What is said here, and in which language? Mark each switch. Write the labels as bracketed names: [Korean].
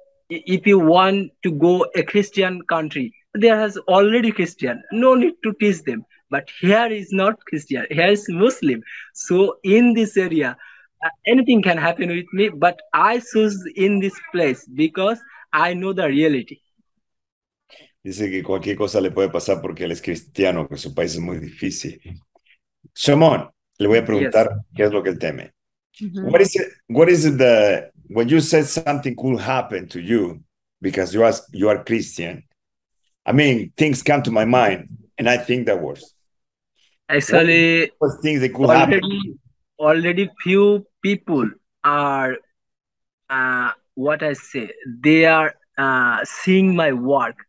[English] If you want to go a Christian country, there has already Christian, no need to teach them. But here is not Christian, here is Muslim. So in this area, anything can happen with me, but I choose in this place because I know the reality. [Spanish] Dice que cualquier cosa le puede pasar porque él es cristiano, que su país es muy difícil. Shamon, le voy a preguntar qué es lo que él teme. Mm-hmm. [English] What is it that when you said something could happen to you because you are Christian? I mean, things come to my mind and I think that was. Actually, what things that could happen to you? Already few people are, what I say, they are seeing my work.